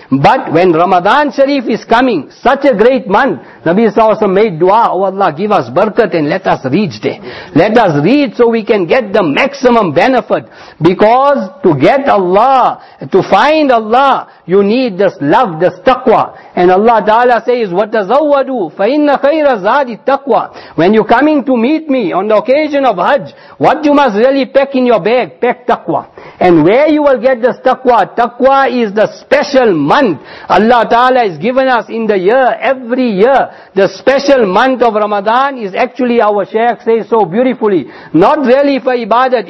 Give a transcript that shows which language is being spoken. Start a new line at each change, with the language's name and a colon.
English: But when Ramadan Sharif is coming, such a great month, Nabi Sallallahu Alaihi Wasallam made dua, oh Allah, give us barakat and let us reach there. Let us reach so we can get the maximum benefit. Because to get Allah, to find Allah, you need this love, this taqwa. And Allah Ta'ala says,
Arabic: وَتَزَوَّدُوا فَإِنَّ خَيْرَ زَادِ التَّقْوَى.
English: When you're coming to meet me on the occasion of Hajj, what you must really pack in your bag? Pack taqwa. And where you will get this taqwa? Taqwa is the special month Allah Ta'ala has given us in the year, every year. The special month of Ramadan is actually, our Shaykh says so beautifully, not really for ibadat.